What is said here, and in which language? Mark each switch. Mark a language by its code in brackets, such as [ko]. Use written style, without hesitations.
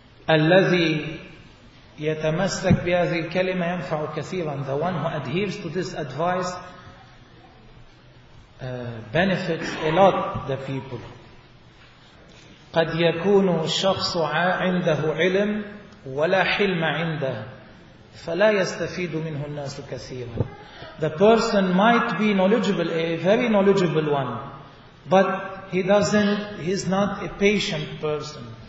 [ar] الذي يتمسك بهذه الكلمة ينفع كثيرا. [en] The one who adheres to this advice benefits a lot the people. [ar] قد يكون الشخص عنده علم ولا حلم عنده فلا يستفيد منه الناس كثيرا. [en] The person might be knowledgeable, a very knowledgeable one, but he's not a patient person.